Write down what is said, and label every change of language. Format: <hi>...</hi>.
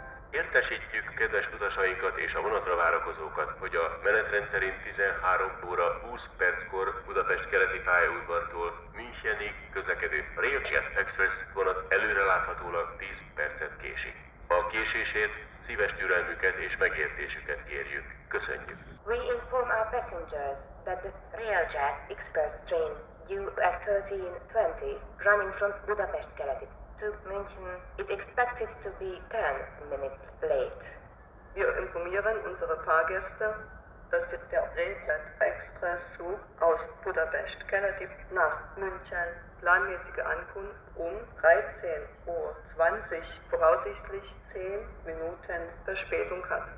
<hu>Értesítjük kedves utasainkat és a vonatra várakozókat, hogy a menetrend szerint 13:20 Budapest keleti pályaudvartól Münchenig közlekedő Railjet Express vonat előreláthatólag 10 percet késik. A késésért szíves türelmüket és megértésüket kérjük. Köszönjük!</hu> <en>We inform our passengers that the Railjet Express train UF1320 running from Budapest keleti to München is expected to be 10 minutes late.</en> <de>Wir informieren unsere Fahrgäste, dass der Railjet Express Zug aus Budapest Kennedy nach München planmäßige Ankunft um 13:20 voraussichtlich 10 Minuten Verspätung hat.</de>